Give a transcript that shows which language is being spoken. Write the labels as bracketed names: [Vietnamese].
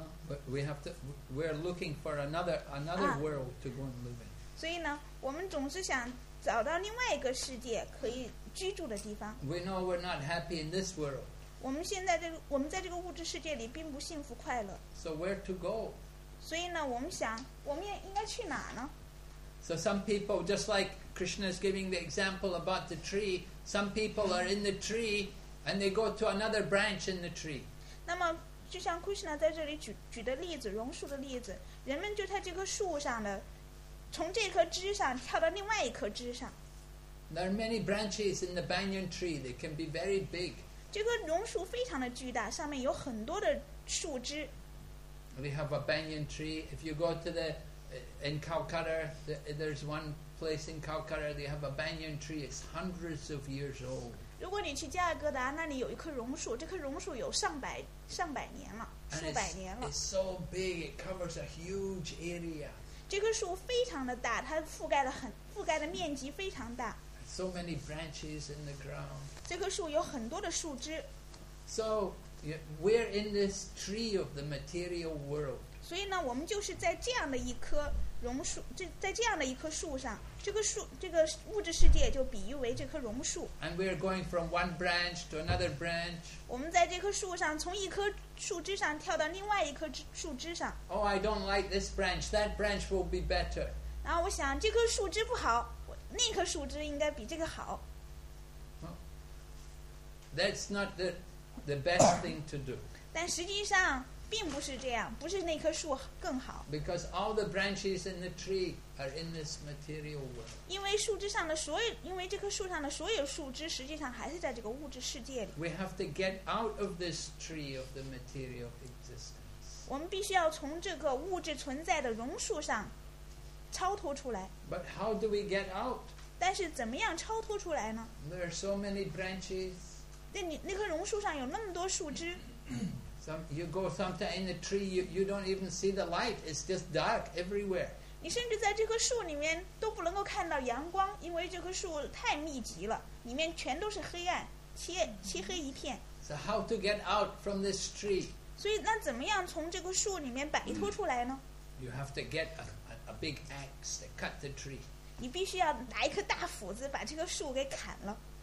[English] We're looking for another world to go and live in. [Chinese] 所以呢，我们总是想找到另外一个世界可以居住的地方。 [English] We know we're not happy in this world. [Chinese] 我们现在在这个物质世界里并不幸福快乐。 [English] So where to go? [Chinese] 所以呢，我们想，我们应该去哪呢？ [English] So some people, just like Krishna is giving the example about the tree, some people are in the tree and they go to another branch in the tree. [Chinese] 那么就像 Krishna 在这里举的例子，榕树的例子，人们就在这棵树上的，从这棵枝上跳到另外一棵枝上。 [English] There are many branches in the banyan tree. They can be very big. [Chinese] 这棵榕树非常的巨大，上面有很多的树枝。 [English] We have a banyan tree. If you go to the in Calcutta, there's one place in Calcutta, they have a banyan tree. It's hundreds of years old. [Chinese] 如果你去加尔各答，那里有一棵榕树，这棵榕树有上百年了，数百年了。 [English] It's so big, it covers a huge area. [Chinese] 这棵树非常的大，它覆盖的面积非常大。 [English] So many branches in the ground. [Chinese] 这棵树有很多的树枝。 So [English] We're in this tree of the material world. [Chinese] 所以呢，我们就是在这样的一棵榕树，在这样的一棵树上，这个树，这个物质世界就比喻为这棵榕树。 [English] And we're going from one branch to another branch. [Chinese] 我们在这棵树上，从一棵树枝上跳到另外一棵树枝上。 [English] Oh, I don't like this branch. That branch will be better. [Chinese] 然后我想，这棵树枝不好，那棵树枝应该比这个好。 [English] That's not the best thing to do. [Chinese] 但实际上并不是这样，不是那棵树更好。 [English] Because all the branches in the tree are in this material world. [Chinese] 因为树枝上的所有，因为这棵树上的所有树枝，实际上还是在这个物质世界里。 [English] We have to get out of this tree of the material existence. [Chinese] 我们必须要从这个物质存在的榕树上超脱出来。 [English] But how do we get out? [Chinese] 但是怎么样超脱出来呢？ [English] There are so many branches. [Chinese] 那棵榕树上有那么多树枝。 [English] You go sometimes in the tree, you don't even see the light. It's just dark everywhere. [Chinese] 你甚至在这棵树里面都不能够看到阳光，因为这棵树太密集了，里面全都是黑暗，漆黑一片。 [English] So how to get out from this tree? [Chinese] 所以那怎么样从这棵树里面摆脱出来呢？ [English] You have to get a big axe to cut the tree. [Chinese] 你必须要拿一颗大斧子把这棵树给砍了。